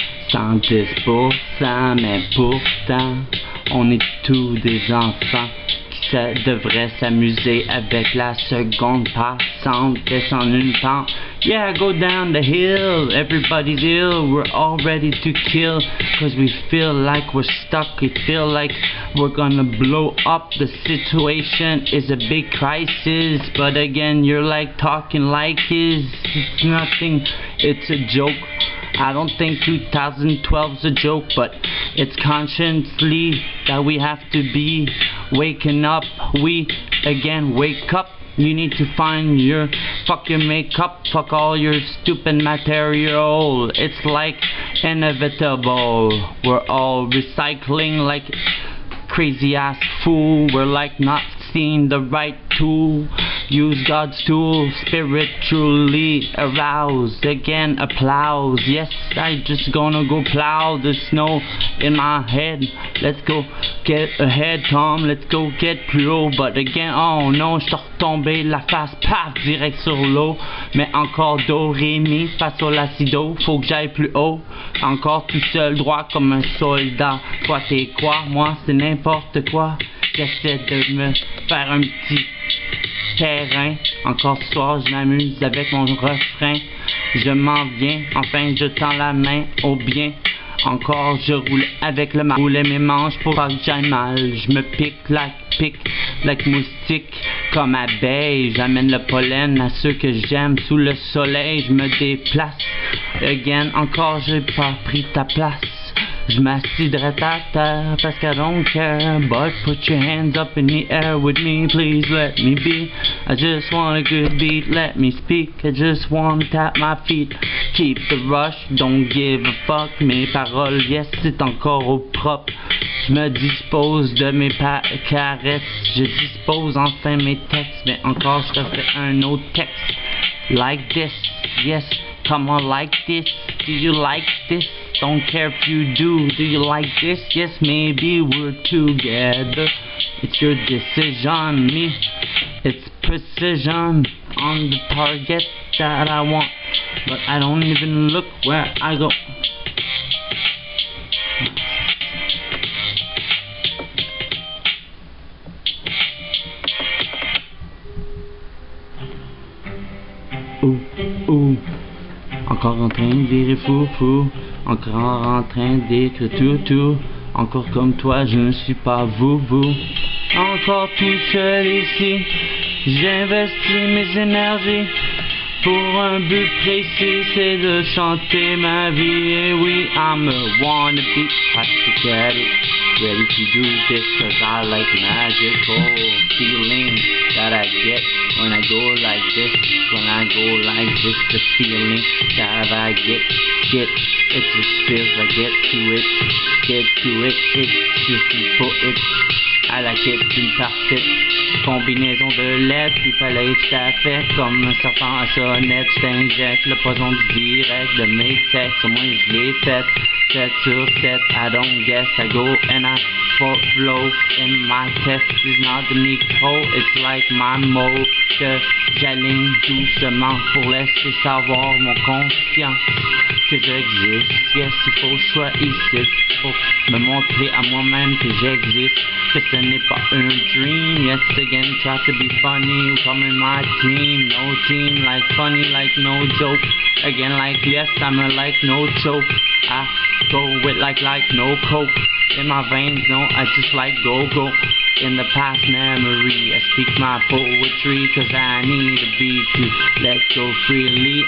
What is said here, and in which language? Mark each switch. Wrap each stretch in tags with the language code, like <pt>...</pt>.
<fr>chantent pour ça, mais pourtant, on est tous des enfants qui devraient s'amuser avec la seconde passante, descendre une pente.</fr> <en>Yeah, go down the hill, everybody's ill, we're all ready to kill, cause we feel like we're stuck, we feel like we're gonna blow up, the situation is a big crisis, but again, you're like talking like it's nothing, it's a joke. I don't think 2012's a joke, but it's consciously that we have to be waking up. We, again, wake up. You need to find your, fuck your makeup, fuck all your stupid material. It's like inevitable. We're all recycling like crazy ass fool. We're like not seeing the right tool. Use God's tool, spiritually aroused, again applause. Yes, I just gonna go plow the snow in my head. Let's go get ahead, Tom, let's go get</en> <fr>plus haut.</fr> <en>But again,</en> <fr>oh non, je suis retombé la face, paf, direct sur l'eau. Mais encore do, ré, mi, fa, sol, la, si, do, faut que j'aille plus haut. Encore tout seul, droit comme un soldat. Toi t'es quoi, moi c'est n'importe quoi. J'essaie de me faire un petit terrain. Encore ce soir, je m'amuse avec mon refrain. Je m'en viens, enfin je tends la main au bien. Encore je roule avec le mal, rouler mes manches pour pas que j'aille mal. Je me pique, like moustique, comme abeille. J'amène le pollen à ceux que j'aime sous le soleil. Je me déplace, again, encore j'ai pas pris ta place. Je m'assiderai à terre parce que</fr> <en>I don't care. But put your hands up in the air with me, please let me be. I just want a good beat, let me speak. I just want to tap my feet. Keep the rush, don't give a fuck.</en> <fr>Mes paroles, yes, c'est encore au propre. Je me dispose de mes caresses. Je dispose enfin mes textes. Mais encore, je referai un autre texte.</fr> <en>Like this, yes. Come on, like this, do you like this? Don't care if you do, do you like this? Yes, maybe we're together. It's your decision, me. It's precision on the target that I want. But I don't even look where I go. Ooh, ooh.</en> <fr>Encore en train de virer fou, encore en train d'écrire tout, encore comme toi, je ne suis pas vous. Encore tout seul ici, j'investis mes énergies pour un but précis, c'est de chanter ma vie. Et oui,</fr> <en>I'm a wannabe, plastic addict, ready to do this cause I like magical feeling that I get. When I go like this, when I go like this, the feeling that I get, it just feels like get to it, it just feels for it, I like it,</en> <fr>une parfaite combinaison de lettres, il fallait que ça fait comme un serpent à sonnette, j'injecte le poison du direct de mes textes, au moins je l'ai fait, 7 sur 7,</fr> <en>I don't guess, I go and I for flow in my test is not the micro, it's like my mode</en> <fr>que j'aligne doucement pour laisser savoir mon conscient que j'existe. Yes, il faut que je sois ici pour me montrer à moi-même que j'existe, que ce n'est pas un dream.</fr> <en>Yes, again, try to be funny, come in my team, no team, like funny, like no joke. Again, like yes, I'm a like no joke. I go with like no coke. In my veins, no, I just like go. In the past memory, I speak my poetry, cause I need a beat to let go freely.</en>